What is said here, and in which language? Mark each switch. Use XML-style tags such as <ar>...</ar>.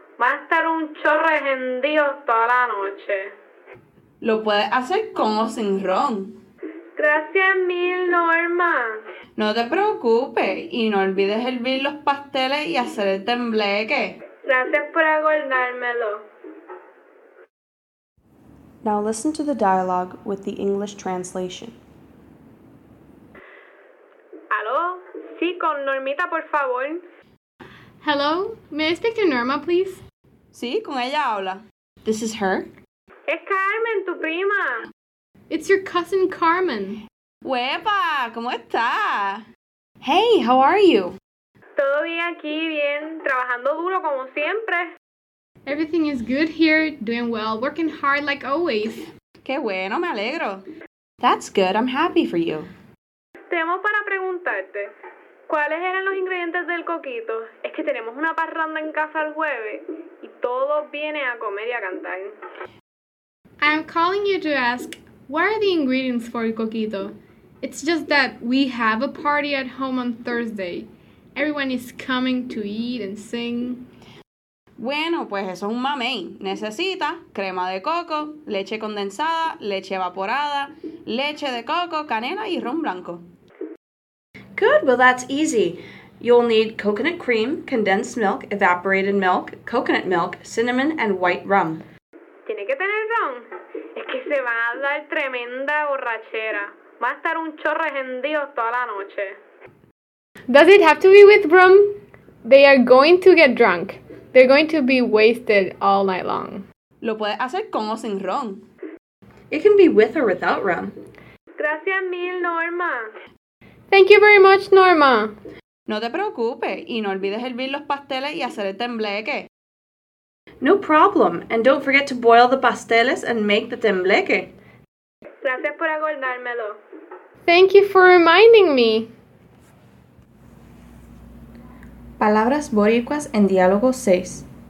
<es>Va a estar un chorro rendido toda la noche. Lo puedes hacer con o sin ron. Gracias mil, Norma. No te preocupes y no olvides hervir los pasteles y hacer el tembleque. Gracias por acordármelo.</es> <en>Now listen to the dialogue with the English translation.</en> <es>¿Aló? Sí, con Normita, por favor.</es> <en>Hello, may I speak to Norma, please?</en> <es>Sí, con ella habla.</es> <en>This is her.</en> <es>Es Carmen, tu prima.</es> <en>It's your cousin Carmen.</en> <es>¡Huepa! ¿Cómo estás?</es> <en>Hey, how are you?</en> <es>Todo bien aquí, bien. Trabajando duro como siempre.</es> <en>Everything is good here, doing well, working hard like always.</en> <es>¡Qué bueno! Me alegro.</es> <en>That's good. I'm happy for you.</en> <es>Tenemos para preguntarte, ¿cuáles eran los ingredientes del coquito? Es que tenemos una parranda en casa el jueves y todos vienen a comer y a cantar.</es> <en>I'm calling you to ask, what are the ingredients for el coquito? It's just that we have a party at home on Thursday. Everyone is coming to eat and sing.</en> <es>Bueno, pues eso es un mamey. Necesita crema de coco, leche condensada, leche evaporada, leche de coco, canela y ron blanco.</es> <en>Good, well that's easy. You'll need coconut cream, condensed milk, evaporated milk, coconut milk, cinnamon, and white rum.</en> <es>Tiene que tener ron. Se va a dar tremenda borrachera. Va a estar un chorro rendido toda la noche.</es> <en>Does it have to be with rum? They are going to get drunk. They're going to be wasted all night long.</en> <es>Lo puedes hacer con o sin ron.</es> <en>It can be with or without rum.</en> <es>Gracias mil, Norma.</es> <en>Thank you very much, Norma.</en> <es>No te preocupes, y no olvides hervir los pasteles y hacer el tembleque.</es> <en>No problem, and don't forget to boil the pasteles and make the tembleque.</en> <es>Gracias por acordármelo.</es> <en>Thank you for reminding me.</en> <es>Palabras boricuas en diálogo 6.</es>